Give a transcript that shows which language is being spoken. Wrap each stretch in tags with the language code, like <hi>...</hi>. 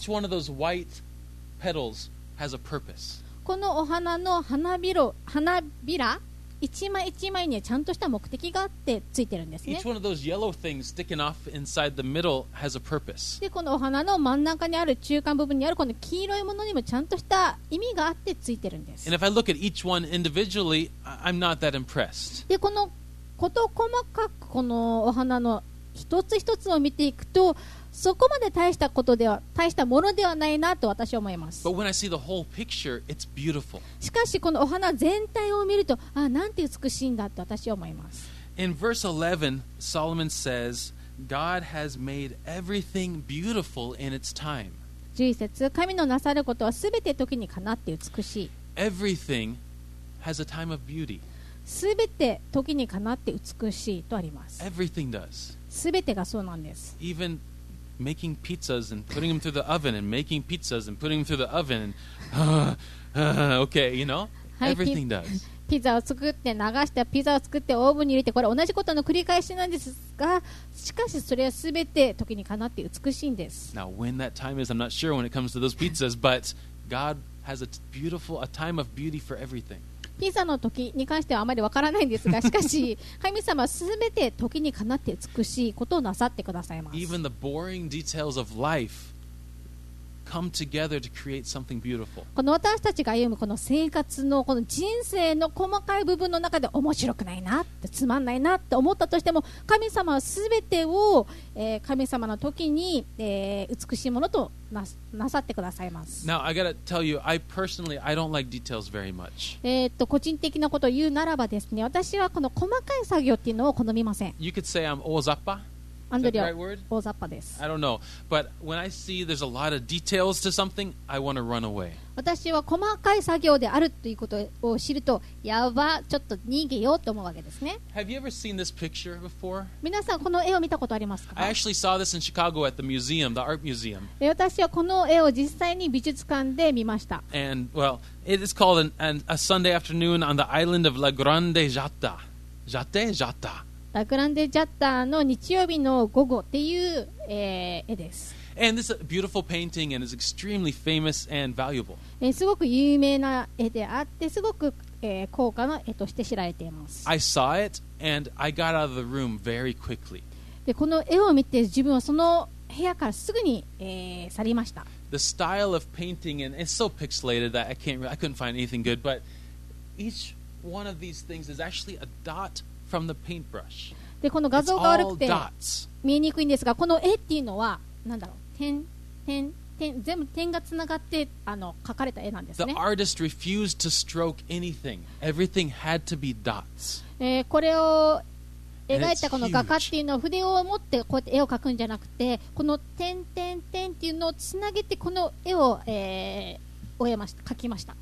<en>Each one of those white petals has a purpose.</en> <ja>このお花の花びら一枚一枚にはちゃんとした目的があってついてるんですね。</ja> <en>Each one of those yellow things sticking off inside the middle has a purpose.</en> <ja>で、このお花の真ん中にある中間部分にあるこの黄色いものにもちゃんとした意味があってついてるんです。</ja> <en>And if I look at each one individually, I'm not that impressed.</en> <ja>で、このこと細かくこのお花の一つ一つを見ていくと、そこまで大したことでは大したものではないなと私は思います。</ja> <en>But when I see the whole picture, it's beautiful.</en> <ja>しかしこのお花全体を見ると、あ、なんて美しいんだと私は思います。</ja> <en>In verse 11, Solomon says, God has made everything beautiful in its time.</en> <ja>11節、神のなさることはすべて時にかなって美しい。</ja> <en>Everything has a time of beauty.</en> <ja>すべて時にかなって美しいとあります。</ja> <en>Everything does.</en> <ja>すべてがそうなんです。</ja> <en>EvenMaking pizzas and putting them through the oven and making pizzas and putting them through the oven and okay, you know, everything does.</en> <ja>ピザを作って流してピザを作ってオーブンに入れてこれ同じことの繰り返しなんですが、しかしそれはすべて時にかなって美しいんです。</ja> <en>Now when that time is, I'm not sure when it comes to those pizzas, but God has a time of beauty for everything.</en> <ja>ピザの時に関してはあまりわからないんですが、しかし神様はすべて時にかなって美しいことをなさってくださいます。</ja> <en>Even the boring details of life come together to create something beautiful.</en> <ja>この私たちが歩むこの生活のこの人生の細かい部分の中で面白くないなってつまんないなって思ったとしても、神様はすべてを、神様の時に、美しいものとなさってくださいます。</ja> <en>Now I gotta tell you, I personally I don't like details very much.</en> <ja>個人的なことを言うならばですね、私はこの細かい作業っていうのを好みません。</ja> <en>You could say I'm 大雑把。</en> <ja>アンドリア、大雑把です。</ja> <en>I don't know, but when I see there's a lot of details to something, I want to run away.</en> <ja>私は細かい作業であるということを知ると、やば、ちょっと逃げようと思うわけですね。</ja> <en>Have you ever seen this picture before?</en> <ja>皆さんこの絵を見たことありますか?</ja> <en>I actually saw this in Chicago at the museum, the art museum. 私はこの絵を実際に美術館で見ました。 And well, it is called a Sunday afternoon on the island of La Grande Jatta. Jatte? Jatta.</en> <ja>ラグランデジャッターの日曜日の午後っていう、絵です。</ja> <en>And this is a beautiful painting and is extremely famous and valuable.</en> <ja>すごく有名な絵であって、すごく、高価な絵として知られています。</ja> <en>I saw it and I got out of the room very quickly.</en> <ja>で、この絵を見て自分はその部屋からすぐに、去りました。</ja> <en>The style of painting and it's so pixelated that I couldn't find anything good, but each one of these things is actually a dot. From the paintbrush.</en> <ja>でこの画像が悪くて見えにくいんですが、この絵っていうのは何だろう、点点点、全部点がつながって描かれた絵なんですね。</ja> <en>The artist refused to stroke anything. Everything had to be dots.</en> <ja>これを描いたこの画家っていうのは筆を持ってこうやって絵を描くんじゃなくて、この点点点っていうのをつなげてこの絵を、終えました、描きました。</ja>